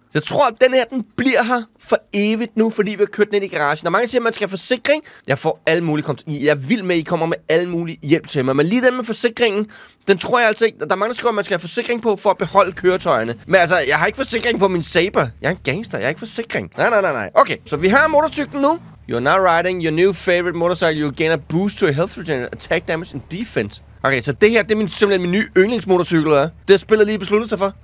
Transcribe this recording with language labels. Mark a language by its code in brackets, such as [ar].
[da] Jeg tror, at den her, den bliver her for evigt nu, fordi vi har kørt den ind i garagen. Og mange siger, at man skal have forsikring. Jeg får alle mulige kontakter. Jeg er vild med, at I kommer med alle mulige hjælp til mig. Men lige den med forsikringen, den tror jeg altså ikke. Der er mange, der skriver, at man skal have forsikring på for at beholde køretøjerne. Men altså, jeg har ikke forsikring på min Saber. Jeg er en gangster. Jeg har ikke forsikring. Nej. Okay, så vi har motorcyklen nu. [en] You're now riding your new favorite motorcycle. You gain a boost to your health regenerate, attack damage and defense. [da] Okay, så det her, det er simpelthen min nye yndlingsmotorcykel, der er. Det har spillet lige besluttet sig for.